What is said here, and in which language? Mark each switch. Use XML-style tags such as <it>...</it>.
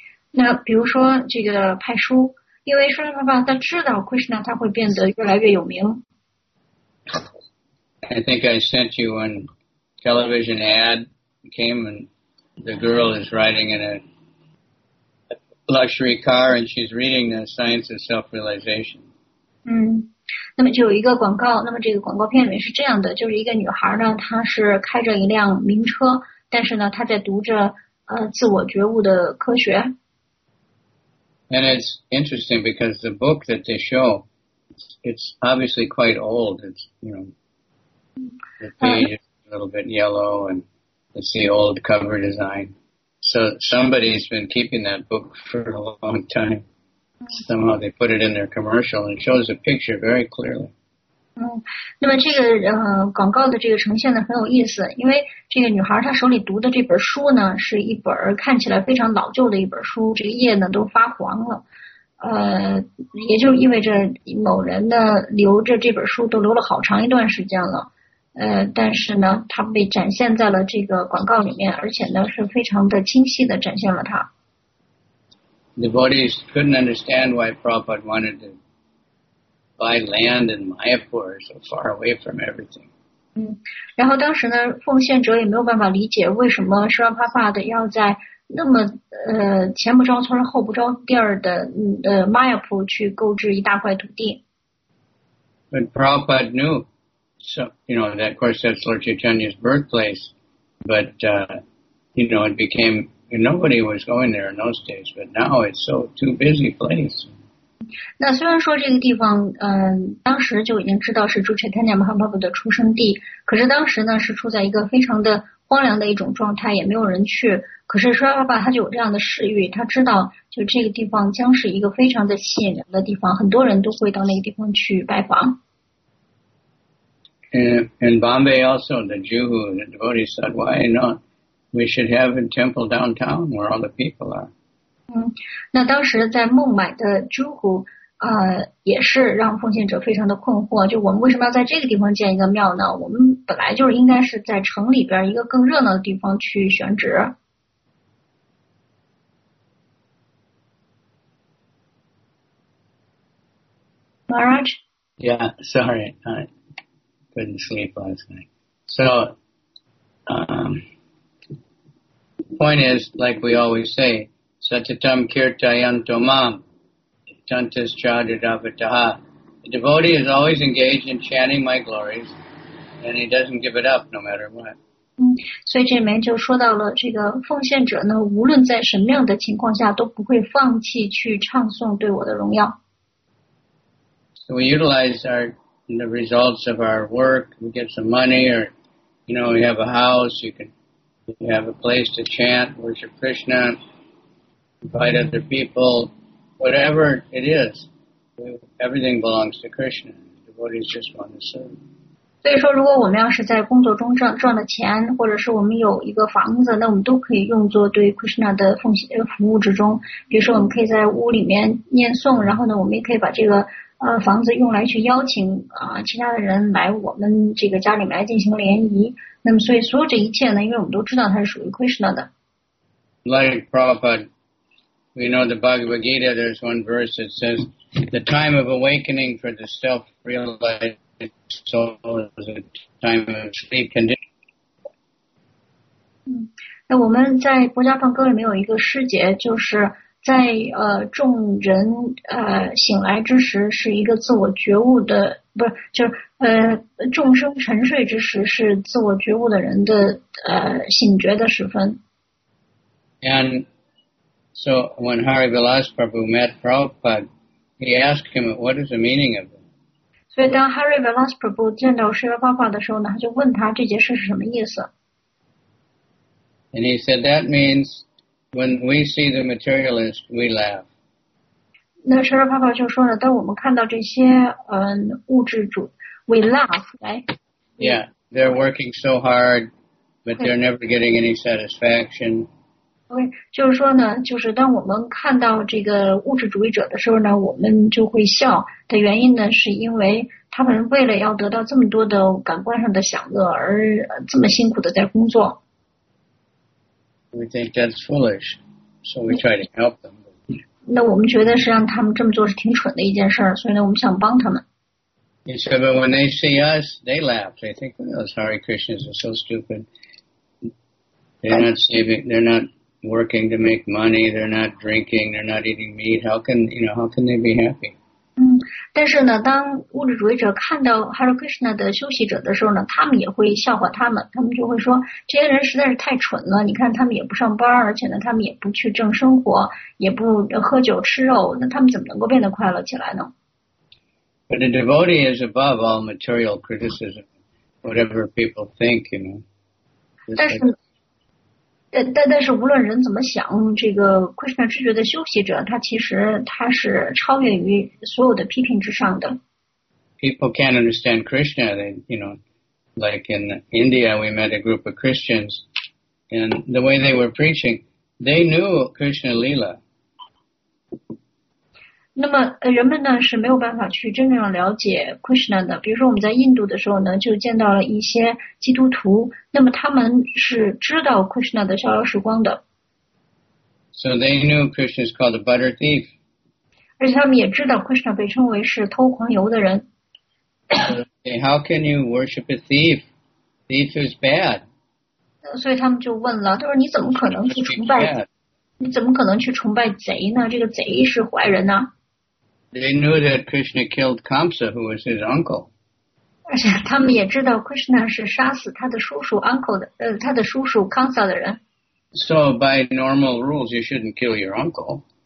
<zh>那比如说这个派书，因为说实话他知道 Krishna 他会变得越来越有名。</zh> <en>I think I sent you a television ad came and the girl is riding in a luxury car and she's reading the science of self-realization.</en> <zh>那么就有一个广告，那么这个广告片里面是这样的，就是一个女孩呢，她是开着一辆名车，但是呢她在读着自我觉悟的科学。</zh> <en>And it's interesting because the book that they show, it's obviously quite old. It's, you know, the page is a little bit yellow and it's the old cover design. So somebody's been keeping that book for a long time. Somehow they put it in their commercial and it shows a picture very clearly.</en> <zh>那么这个广告的这个呈现呢很有意思，因为这个女孩她手里读的这本书呢是一本看起来非常老旧的一本书，这个页呢都发黄了。也就意味着某人呢留着这本书都留了好长一段时间了，但是呢它被展现在了这个广告里面，而且呢是非常的清晰的展现了它。</zh> <en>The devotees couldn't understand why Prabhupada wanted to buy land in Mayapur so far away from everything.</en> <zh>然后当时呢奉献者也没有办法理解为什么释迦帕帕的要在那么前不着村后不着店的玛雅普去购置一大块土地。</zh> <en>But Prabhupada knew, so, you know, that of course that's Lord Chaitanya's birthplace, but, you know, it became, nobody was going there in those days, but now it's so too busy place.</en> <zh>那虽然说这个地方当时就已经知道是朱彻坦尼马哈巴布的出生地，可是当时呢是处在一个非常的荒凉的一种状态，也没有人去。可是舒拉爸爸他就有这样的视域，他知道就这个地方将是一个非常的吸引人的地方，很多人都会到那个地方去拜访。</zh> <en>In Bombay also, the Juhu, the devotees said, why not? We should have a temple downtown where all the people are.</en> <zh>那当时在孟买的 Juhu, 也是让奉献者非常的困惑，就我们为什么要在这个地方建一个庙呢？我们本来就是应该是在城里边一个更热闹的地方去选址。</zh> <en>Maharaj? Yeah, sorry, I couldn't sleep last night. So, point is, like we always say,</en> <sa>Satyatam Kirtayam Tomam, Tantas Chadadavataha.</sa> <en>The devotee is always engaged in chanting my glories, and he doesn't give it up no matter what.</en> <zh>所以这里面就说到了这个奉献者呢，无论在什么样的情况下都不会放弃去唱诵对我的荣耀。</zh> <en>So we utilize the results of our work, we get some money, or, we have a house, you have a place to chant, worship Krishna, invite other people, whatever it is, everything belongs to Krishna. Devotees just want to serve.</en> <zh>所以说如果我们要是在工作中赚了钱，或者是我们有一个房子，那我们都可以用作对 Krishna 的服务之中。比如说我们可以在屋里面念诵，然后呢我们也可以把这个房子用来去邀请其他的人来我们这个家里面来进行联谊。那么所以所有这一切呢，因为我们都知道它是属于 Krishna 的。</zh> <en>Like Prabhupada, we know the Bhagavad Gita, there's one verse that says, the time of awakening for the self-realized soul is a time of sleep condition.</en> <zh>那我们在《波迦梵歌》里面有一个师节，就是在众人醒来之时是一个自我觉悟的，不是就是众生沉睡之时是自我觉悟的人的醒觉的时分。</zh> <en>And so when Hari Vilas Prabhu met Prabhupada, he asked him, "What is the meaning of it?"</en> <zh>所以当 Hari Vilas Prabhu 见到释迦牟尼的时候呢，他就问他这件事是什么意思。</zh> <en>And he said that means. When we see the materialist, we laugh.</en> <zh>那舍尔帕帕就说呢，当我们看到这些物质主 ，</zh> <en>we laugh, right? Yeah, they're working so hard, but they're never getting any satisfaction.</en> <zh>Okay, 就是说呢，就是当我们看到这个物质主义者的时候呢，我们就会笑。的原因呢，是因为他们为了要得到这么多的感官上的享乐而这么辛苦的在工作。</zh> <en>We think that's foolish, so we try to help them.</en> <zh>那我们觉得是让他们这么做是挺蠢的一件事，所以呢，我们想帮他们。</zh> <en>He said, but when they see us, they laugh. They think, oh, those Hare Krishnas are so stupid. They're not saving, they're not working to make money, they're not drinking, they're not eating meat. How can they be happy?</en> <zh>但是呢，当物质主义者看到 Hare Krishna 的修习者的时候呢，他们也会笑话他们，他们就会说这些人实在是太蠢了，你看他们也不上班，而且呢他们也不去挣生活，也不喝酒吃肉，那他们怎么能够变得快乐起来呢？</zh> <en>But a devotee is above all material criticism, whatever people think, you know.</en> <zh>但是无论人怎么想，这个 Krishna 知觉的修习者，他其实是超越于所有的批评之上的。</zh> <en>People can't understand Krishna. Like in India, we met a group of Christians, and the way they were preaching, they knew Krishna Lila.</en> <zh>那么人们呢是没有办法去真正了解 Krishna 的。比如说我们在印度的时候呢，就见到了一些基督徒，那么他们是知道 Krishna 的逍遥时光的，</zh> <en>So they knew Krishna is called the butter thief.</en> <zh>而且他们也知道 Krishna 被称为是偷狂油的人。</zh> <en>Okay, how can you worship a thief? Thief is bad.</en> <zh>所以他们就问了，他说你怎么可能去崇拜，</zh> <en>Bad.</en> <zh>你怎么可能去崇拜贼呢？这个贼是坏人呢？</zh> <en>They knew that Krishna killed Kamsa, who was his uncle.</en> <zh>而且他们也知道 Krishna 是杀死他的叔叔 uncle 的，他的叔叔 Kamsa 的人。</zh> <en>So by normal rules, you shouldn't kill your uncle.</en>